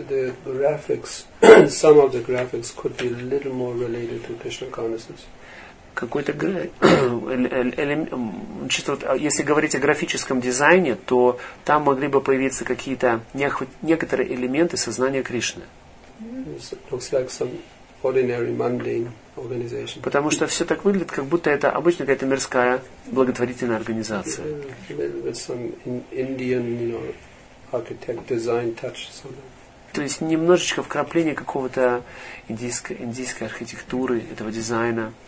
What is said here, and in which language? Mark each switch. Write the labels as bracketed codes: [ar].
[en] The graphics, some of the graphics could be a little more related to Krishna consciousness. [ru] Какой-то элемент, если говорить о графическом дизайне, то там могли бы появиться какие-то некоторые элементы сознания Кришны. [en] It looks like some ordinary mundane organization. [ru] Потому что все так выглядит, как будто это обычная какая-то мирская благотворительная организация. [en] With some Indian, you know, architect design touch somehow. [ru] То есть немножечко вкрапление какого-то индийской архитектуры, этого дизайна.